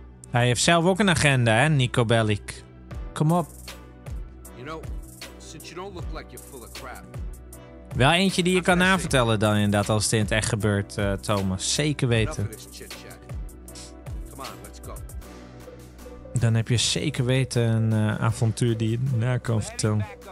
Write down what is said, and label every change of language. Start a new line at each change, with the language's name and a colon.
Dutch: Hij heeft zelf ook een agenda, hè, Nico Bellic. Kom op.
English: You know, since you don't look like you're full of crap.
Dutch: Wel eentje die je kan navertellen dan inderdaad als het in het echt gebeurt, Thomas. Zeker weten.
English: Come on, let's go.
Dutch: Dan heb je zeker weten een avontuur die je na kan vertellen.